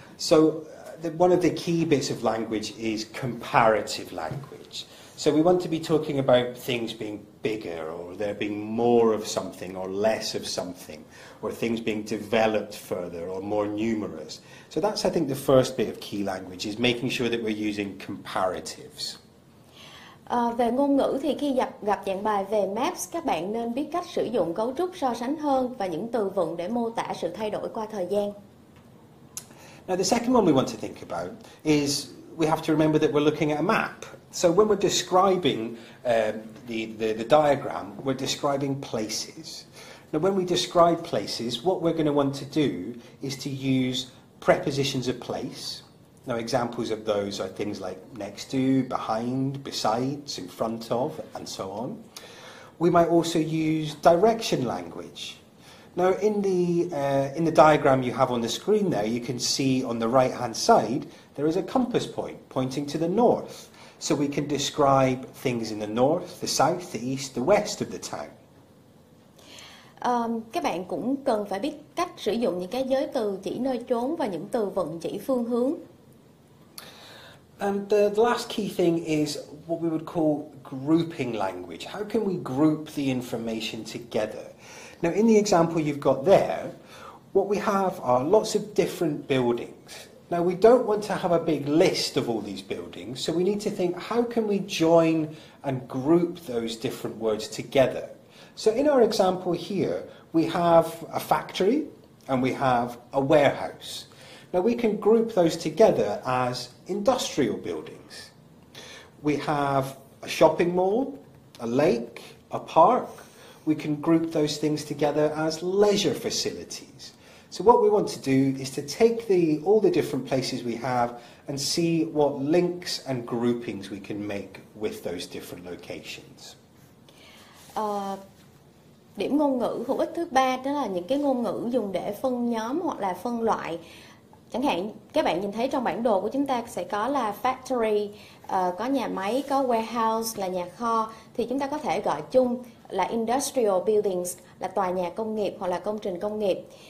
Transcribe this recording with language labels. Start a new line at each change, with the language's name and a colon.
English: So one of the key bits of language is comparative language. So we want to be talking about things being bigger, or there being more of something or less of something, or things being developed further or more numerous. So that's, I think, the first bit of key language, is making sure that we're using comparatives.
Vietnamese: Về ngôn ngữ thì khi gặp dạng bài về maps, các bạn nên biết cách sử dụng cấu trúc so sánh hơn và những từ vựng để mô tả sự thay đổi qua thời gian.
English: Now the second one we want to think about is we have to remember that we're looking at a map. So when we're describing the diagram, we're describing places. Now when we describe places, what we're going to want to do is to use prepositions of place. Now examples of those are things like next to, behind, besides, in front of, and so on. We might also use direction language. Now in the diagram you have on the screen there, you can see on the right hand side, there is a compass point pointing to the north. So we can describe things in the north, the south, the east, the west of the town.
Vietnamese: Các bạn cũng cần phải biết cách sử dụng những cái giới từ chỉ nơi chốn và những từ vựng chỉ phương hướng.
English: And the last key thing is what we would call grouping language. How can we group the information together? Now, in the example you've got there, what we have are lots of different buildings. Now, we don't want to have a big list of all these buildings, so we need to think, how can we join and group those different words together? So in our example here, we have a factory and we have a warehouse. Now, we can group those together as industrial buildings. We have a shopping mall, a lake, a park. We can group those things together as leisure facilities. So what we want to do is to take all the different places we have and see what links and groupings we can make with those different locations.
Vietnamese: Điểm ngôn ngữ hữu ích thứ ba đó là những cái ngôn ngữ dùng để phân nhóm hoặc là phân loại. Chẳng hạn các bạn nhìn thấy trong bản đồ của chúng ta sẽ có là factory, có nhà máy, có warehouse là nhà kho, thì chúng ta có thể gọi chung là industrial buildings, là tòa nhà công nghiệp hoặc là công trình công nghiệp.